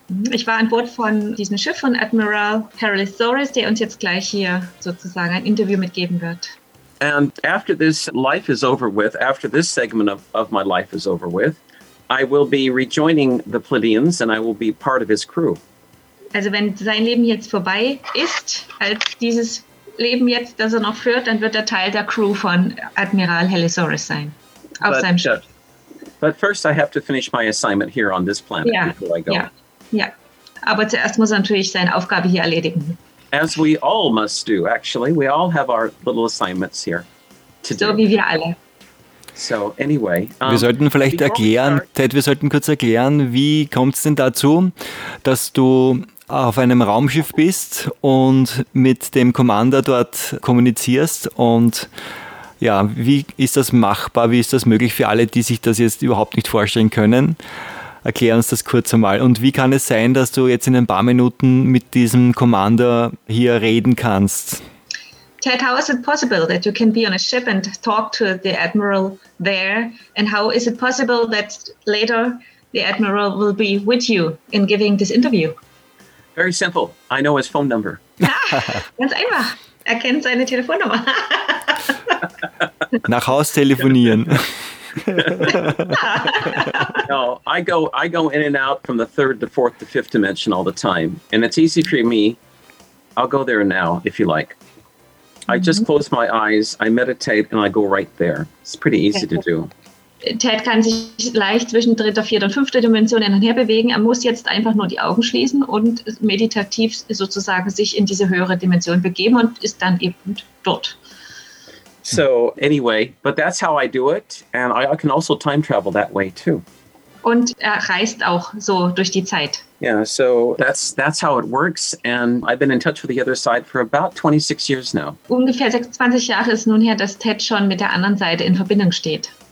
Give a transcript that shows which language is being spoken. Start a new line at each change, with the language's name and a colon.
German: Ich war an Bord von diesem Schiff von Admiral Halosaurus, der uns jetzt gleich hier sozusagen ein Interview mitgeben wird.
English: And after this life is over with, after this segment of my life is over with, I will be rejoining the Pleiadians and I will be part of his crew.
German: Also wenn sein Leben jetzt vorbei ist, als dieses Leben jetzt, das er noch führt, dann wird er Teil der Crew von Admiral Halosaurus sein, auf seinem Schiff.
English: But first I have to finish my assignment here on this planet before I go. Yeah.
German: Ja, aber zuerst muss er natürlich seine Aufgabe hier erledigen.
English: As we all must do, actually. We all have our little assignments here to do.
German: So wie wir alle.
English: So, anyway.
German: Wir sollten vielleicht erklären, Ted, wir sollten kurz erklären, wie kommt es denn dazu, dass du auf einem Raumschiff bist und mit dem Commander dort kommunizierst und ja, wie ist das machbar, wie ist das möglich für alle, die sich das jetzt überhaupt nicht vorstellen können? Erklär uns das kurz einmal. Und wie kann es sein, dass du jetzt in ein paar Minuten mit diesem Commander hier reden kannst?
English: Ted, how is it possible that you can be on a ship and talk to the Admiral there? And how is it possible that later the Admiral will be with you in giving this interview? Very simple. I know his phone number.
German: Ganz einfach. Er kennt seine Telefonnummer. Nach Haus telefonieren.
English: No, I go in and out from the third to fourth to fifth dimension all the time. And it's easy for me. I'll go there now, if you like. I just close my eyes, I meditate, and I go right there. It's pretty easy to do.
German: Ted kann sich leicht zwischen dritter, vierter und fünfter Dimension hin und her bewegen. Er muss jetzt einfach nur die Augen schließen und meditativ sozusagen sich in diese höhere Dimension begeben und ist dann eben dort.
English: So anyway, but that's how I do it. And I can also time travel that way too.
German: Und er reist auch so durch die Zeit.
English: Yeah, so that's how it works. And I've been in touch with the other side for about 26 years now.
German: Ungefähr 26 Jahre ist nun her, dass Ted schon mit der anderen Seite in Verbindung steht.